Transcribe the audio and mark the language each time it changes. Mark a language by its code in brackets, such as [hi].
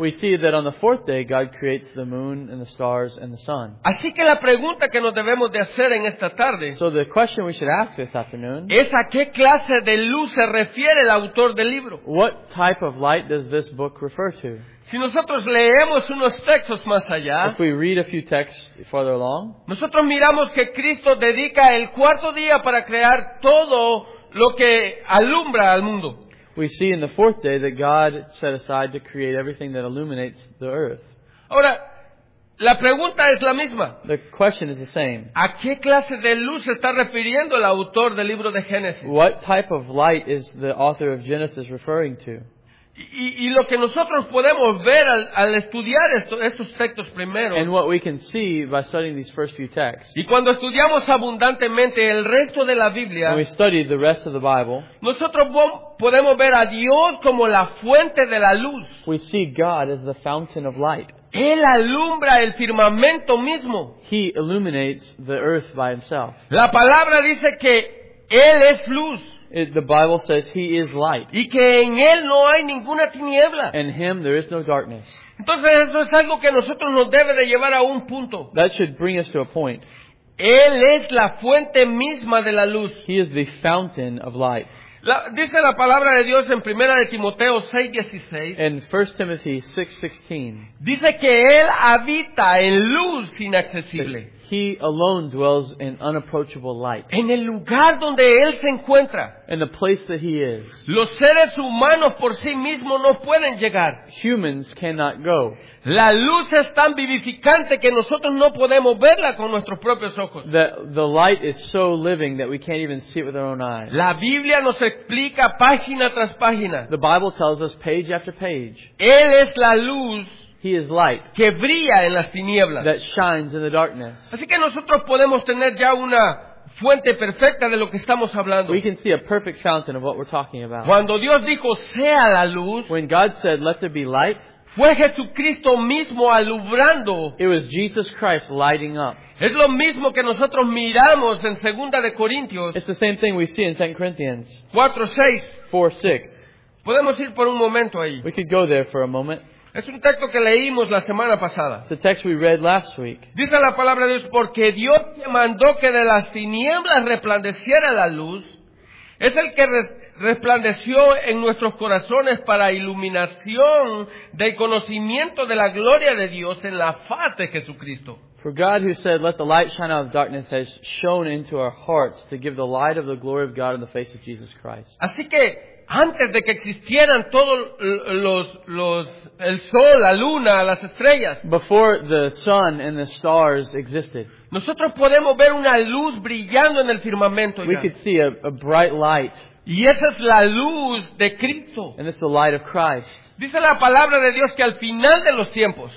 [en] We see that on the fourth day God creates the moon and the stars and the sun. [es] Así que la pregunta que nos debemos de hacer en esta tarde. [en] So the question we should ask this afternoon. [es] Es a qué clase de luz se refiere el autor del libro. [en] What type of light does this book refer to? [es] Si nosotros leemos unos textos más allá, [en] if we read a few texts farther along, [es] nosotros miramos que Cristo dedica el cuarto día para crear todo lo que alumbra al mundo. [en] We see in the fourth day that God set aside to create everything that illuminates the earth. [es] Ahora, la pregunta es la misma. [en] The question is the same. [es] ¿A qué clase de luz está refiriendo el autor del libro de Génesis? [en] What type of light is the author of Genesis referring to? [es] Y lo que nosotros podemos ver al estudiar estos textos primero. [en] And what we can see by studying these first few texts. [es] Y cuando estudiamos abundantemente el resto de la Biblia. [en] When we study the rest of the Bible. [es] Nosotros podemos ver a Dios como la fuente de la luz. [en] We see God as the fountain of light. [es] Él alumbra el firmamento mismo. [en] He illuminates the earth by himself. [es] La palabra dice que Él es luz. [en] The Bible says He is light. [es] Y que en Él no hay ninguna tiniebla. [en] In Him there is no darkness. [es] Entonces eso es algo que nosotros nos debe de llevar a un punto. [en] That should bring us to a point. [es] Él es la fuente misma de la luz. [en] He is the fountain of light. [es] Dice la palabra de Dios en 1 Timoteo 6:16. [en] In 1 Timothy 6:16. [es] Dice que Él habita en luz inaccesible. [en] He alone dwells in unapproachable light. [es] En el lugar donde Él se encuentra. [en] In the place that He is. [es] Los seres humanos por sí mismos no pueden llegar. [en] Humans cannot go. [es] La luz es tan vivificante que nosotros no podemos verla con nuestros propios ojos. [en] The light is so living that we can't even see it with our own eyes. [es] La Biblia nos explica página tras página. [en] The Bible tells us page after page. [es] Él es la luz. [en] He is light. [es] Que brilla en las tinieblas. [en] That shines in the darkness. [es] Así que nosotros podemos tener ya una fuente perfecta de lo que estamos hablando. [en] We can see a perfect fountain of what we're talking about. [es] Cuando Dios dijo sea la luz. [en] When God said let there be light. [es] Fue Jesucristo mismo alumbrando. [en] It was Jesus Christ lighting up. [es] Es lo mismo que nosotros miramos en 2 de Corintios. [en] It's the same thing we see in 2 Corinthians. [es] 4:6. [en] 4:6. [es] Podemos ir por un momento ahí. [en] We could go there for a moment. [es] Es un texto que leímos la semana pasada. [en] It's a text we read last week. [es] Dice la palabra de Dios, porque Dios mandó que de las tinieblas resplandeciera la luz, es el que resplandeció en nuestros corazones para iluminación del conocimiento de la gloria de Dios en la faz de Jesucristo. [en] For God who said, let the light shine out of darkness, has shone into our hearts to give the light of the glory of God in the face of Jesus Christ. [es] Así que, antes de que existieran todos los el sol, la luna, las estrellas, [en] before the sun and the stars existed, [es] nosotros podemos ver una luz brillando en el firmamento. [en] We could see a bright light. [es] Y esa es la luz de Cristo. [en] And it's the light of Christ. [es] Dice la palabra de Dios que al final de los tiempos.